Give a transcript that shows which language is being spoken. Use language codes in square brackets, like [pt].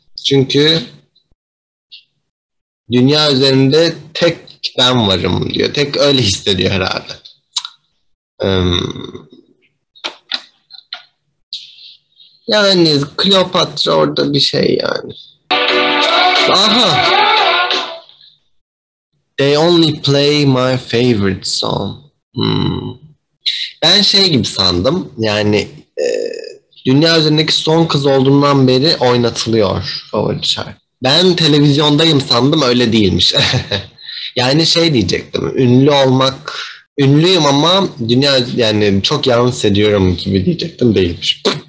[tr] Çünkü dünya üzerinde tek ben varım diyor. Tek öyle hissediyor herhalde. Yani Kleopatra orada bir şey yani. Aha. [en] They only play my favorite song. [tr] Ben şey gibi sandım. Yani dünya üzerindeki son kız olduğundan beri oynatılıyor favori şarkı. Ben televizyondayım sandım, öyle değilmiş. Yani şey diyecektim. Ünlü olmak, ünlüyüm ama dünya yani çok yalnız ediyorum gibi diyecektim, değilmiş.